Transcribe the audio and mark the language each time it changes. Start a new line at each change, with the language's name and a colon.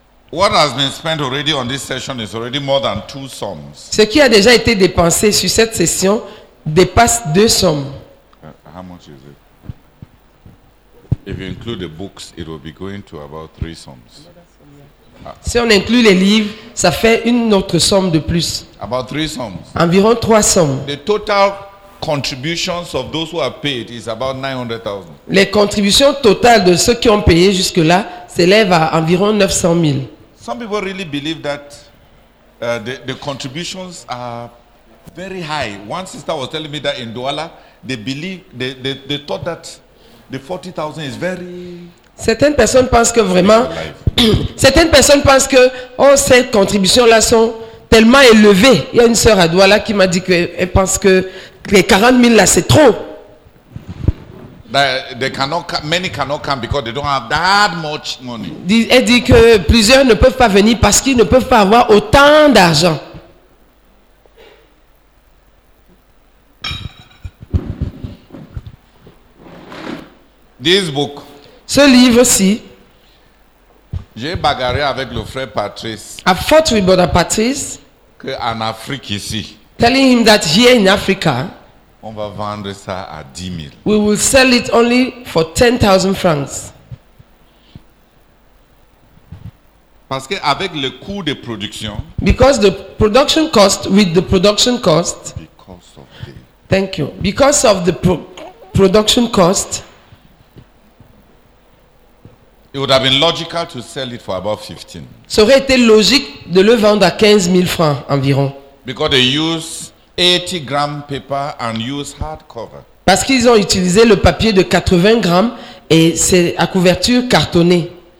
English: What has been spent already on this session is already more than two sums.
French: Ce qui a déjà été dépensé sur cette session dépasse deux sommes.
English: How much is it? If you include the books, it will be going to about three sums.
French: Si on inclut les livres, ça fait une autre somme de plus.
English: About three sums.
French: Environ trois sommes.
English: The total contributions of those who have paid is about 900,000.
French: Les contributions totales de ceux qui ont payé jusque là s'élèvent à environ 900 000.
English: Some people really believe that the contributions are very high. One sister was telling me that in Douala, they thought that the 40,000 is very.
French: Certaines personnes pensent que vraiment, certaines personnes pensent que oh, ces contributions là sont tellement élevées. Il y a une sœur à Douala qui m'a dit qu'elle pense que les 40 000 là c'est trop.
English: Many cannot come because they don't have that much money.
French: Elle dit que plusieurs ne peuvent pas venir parce qu'ils ne peuvent pas avoir autant d'argent.
English: This book.
French: Ce livre-ci. J'ai bagarré avec le frère Patrice.
English: I fought with brother Patrice.
French: Que en Afrique ici.
English: Telling him that here in Africa.
French: On va vendre ça à 10 000.
English: We will sell it only for 10,000 francs.
French: Parce que avec le coût de production.
English: Because the production cost with the production cost. Because of the. Thank you. Because of the production cost. It would have been logical to sell it for about 15.
French: Ça aurait été logique de le vendre à 15 000 francs environ.
English: Because they use 80
French: grammes de papier et
English: use hardcover.
French: Parce qu'ils ont utilisé le papier de 80 grammes et c'est à couverture cartonnée.